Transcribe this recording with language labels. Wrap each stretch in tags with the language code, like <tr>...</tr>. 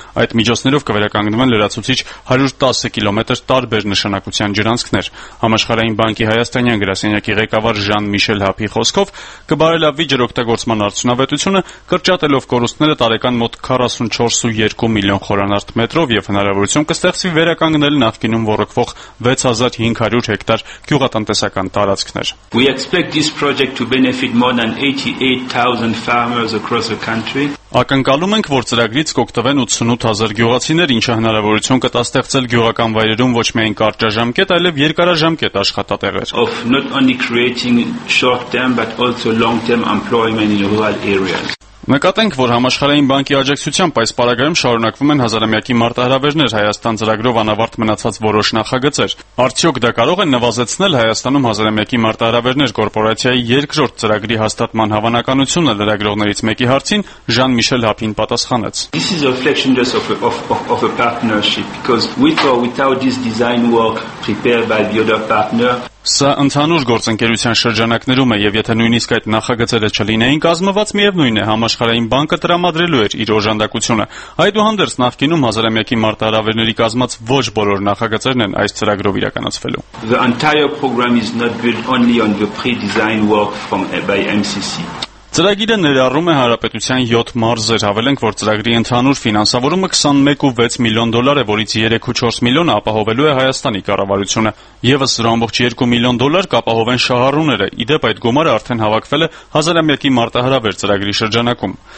<hy>Այդ միջոցներով կվերականգնվեն լրացուցիչ 110 կիլոմետր տարբեր նշանակության ջրանցքներ։ Համաշխարհային բանկի հայաստանյան գրասենյակի ղեկավար Ժան Միշել Հափի խոսքով կբարելավի ջրօգտագործման արդյունավետությունը, կրճատելով կորուստները տարեկան մոտ 44.2 միլիոն խորանարդ մետրով եւ հնարավորություն կստեղծվի վերականգնել նախկինում ռոռոկվող 6500 հեկտար գյուղատնտեսական տարածքներ։</hy> <en>We expect this project to benefit more than 88,000 farmers across the country.</en> <hy>Ակնկալում ենք, որ ծրագրից կօգտվեն 88,000 գյուղացիներ, ինչը հնարավորություն կստեղծել գյուղական վայրերում ոչ միայն կարճաժամկետ, այլև երկարաժամկետ աշխատատեղեր։</hy> <en>Of not only creating short-term but also long-term employment in rural areas.</en> <hy>Նկատենք, որ Համաշխարհային բանկի աջակցությամբ այս պարագայում շարունակվում են հազարամյակի մարտահրավերներ Հայաստան ծրագրով անավարտ մնացած որոշ նախագծեր։ Արդյոք դա կարող է նվազեցնել Հայաստանում հազարամյակի մարտահրավերներ կորպորացիայի երկրորդ ծրագրի հաստատման հավանականությունը, լրագրողներից մեկի հարցին Ժան Միշել Հափին պատասխանեց։</hy> <en>This is a reflection of a partnership because with or without this design work prepared by the other partner.</en> <hy>Սա ընդհանուր գործընկերության շրջանակներում է, եւ եթե նույնիսկ այդ նախագծերը չլինեին կազմված, միևնույն է, Համաշխարհային բանկը տրամադրելու էր իր օժանդակությունը։ Այդուհանդերձ նախկինում հազարամյակի մարտահրավերների կազմած ոչ բոլոր նախագծերն են այս ծրագրով իրականացվելու։</hy> <en>The entire program is not built only on the pre-design work from by MCC.</en> <hy>Ծրագիրը ներառում է հարաբերության 7 մարզեր, ավելենք, որ ծրագրի ընդհանուր ֆինանսավորումը 21.6 միլիոն դոլար է, որից 3.4 միլիոնը ապահովելու է Հայաստանի կառավարությունը, եւս 0.2 միլիոն դոլար կապահովեն շահառուները։ Իդեպ այդ գումարը արդեն հավաքվել է հազարամյակի մարտահրավեր ծրագրի շրջանակում։</hy>